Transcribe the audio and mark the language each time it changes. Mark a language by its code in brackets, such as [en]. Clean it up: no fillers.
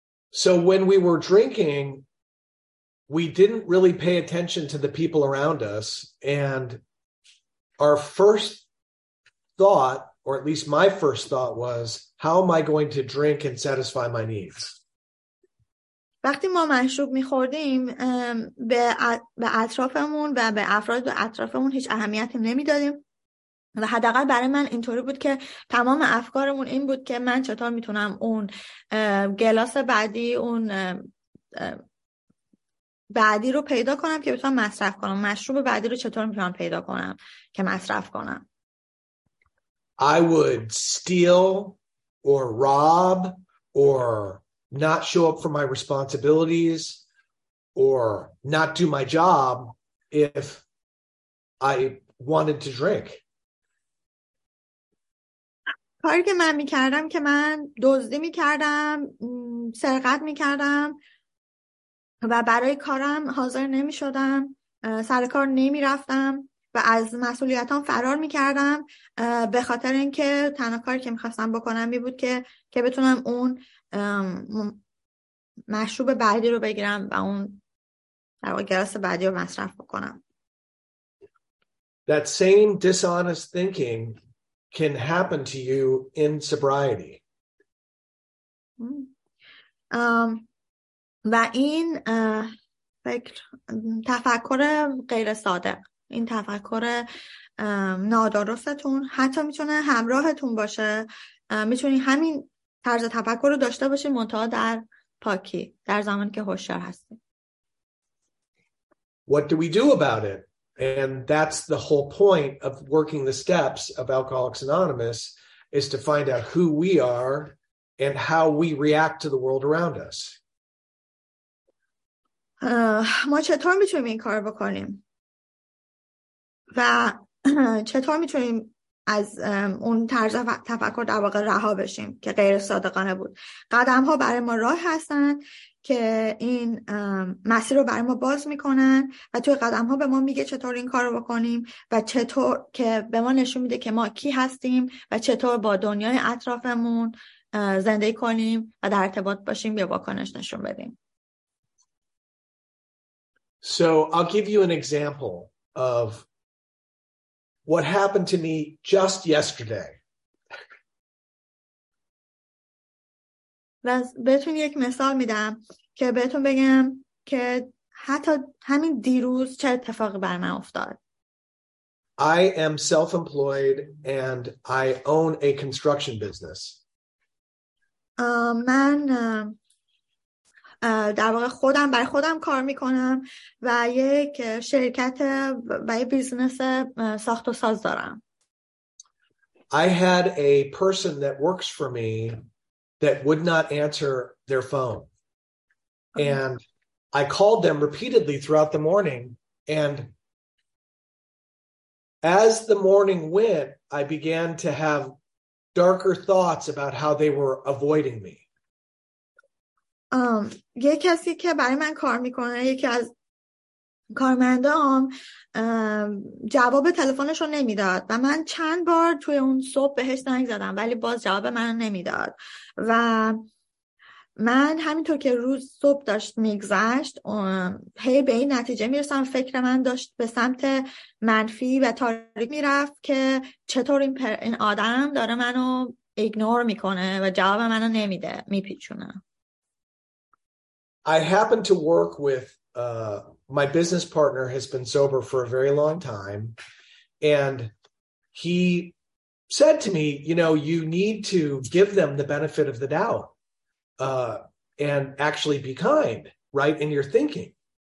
[en] So when we were drinking, we didn't really pay attention to the people around us, and our first thought, or at least my first thought, was, how am I going to drink and satisfy my needs? [fa] وقتی ما مشروب می‌خوردیم به اطرافمون و به افراد و اطرافمون هیچ اهمیتی نمی‌دادیم و حداقل برای من اینطوری بود که تمام افکارمون این بود که من چطور میتونم اون گلاس بعدی، اون بعدی رو پیدا کنم که بتونم مصرف کنم، مشروب بعدی رو چطور میتونم پیدا کنم که مصرف کنم. [en] I would steal or rob or not show up for my responsibilities or not do my job if I wanted to drink. [fa] کاری که من میکردم که من دزدی میکردم، سرقت میکردم و برای کارم حاضر نمی شدم، سر کار نمی رفتم و از مسئولیتام فرار می کردم به خاطر اینکه تنها کاری که می خواستم بکنم می بود که بتونم اون مشروب بعدی رو بگیرم و اون در واقع گلاس بعدی رو مصرف بکنم. [en] That same dishonest thinking can happen to you in sobriety. [fa] و این فکر، تفکر غیر صادق، این تفکر نادرستتون حتی میتونه همراهتون باشه، میتونی همین طرز تفکر رو داشته باشید منتها در پاکی، در زمانی که هوشیار هستید. [en] What do we do about it? And that's the whole point of working the steps of Alcoholics Anonymous, is to find out who we are and how we react to the world around us. [fa] ما چطور میتونیم این کار بکنیم و چطور میتونیم از اون طرز تفکر در واقع رها بشیم که غیر صادقانه بود. قدم ها برای ما راه هستن که این مسیر رو برای ما باز میکنن و توی قدم ها به ما میگه چطور این کار رو بکنیم و چطور که به ما نشون میده که ما کی هستیم و چطور با دنیای اطرافمون زندگی کنیم و در ارتباط باشیم یا واکنش نشون بدیم. [en] So I'll give you an example of what happened to me just yesterday. [fa] بس بهتون یک مثال میدم که بهتون بگم که حتی همین دیروز چه اتفاقی بر من افتاد. [en] I am self-employed and I own a construction business. [fa] من در واقع خودم برای خودم کار میکنم و یک شرکت و یک بیزنس ساخت و ساز دارم. [en] I had a person that works for me that would not answer their phone. And I called them repeatedly throughout the morning. And as the morning went, I began to have darker thoughts about how they were avoiding me. [fa] یه کسی که برای من کار میکنه، یکی از کارمندام، جواب تلفنش رو نمیداد و من چند بار توی اون صبح بهش زنگ زدم ولی باز جواب منو نمیداد. و من همینطور که روز صبح داشت میگذشت هی به این نتیجه میرسم، فکر من داشت به سمت منفی و تاریک میرفت که چطور این آدم داره منو ignore میکنه و جواب منو نمیده، میپیچونه. [en] I happen to work with my business partner has been sober for a very long time, and he said to me, you know, you need to give them the benefit of the doubt and actually be kind, right, in your thinking.